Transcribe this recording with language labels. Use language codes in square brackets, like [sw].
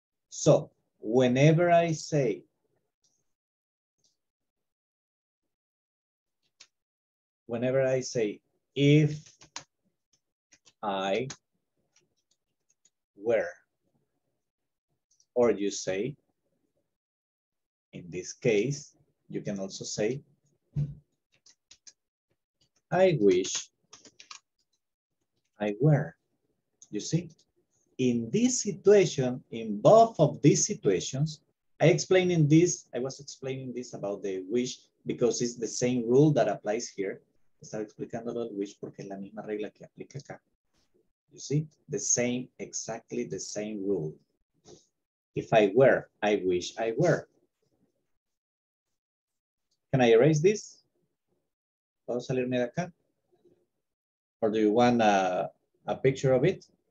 [en] So whenever I say, if I were, or you say, in this case, you can also say, I wish I were. You see, in this situation, in both of these situations, I explained in this, I was explaining this about the wish because it's the same rule that applies here. [es] Estaba explicando lo del wish porque es la misma regla que aplica acá. [en] You see, the same, exactly the same rule. If I were, I wish I were. Can I erase this? [es] ¿Puedo salirme de acá? [en] Or do you want a picture of it?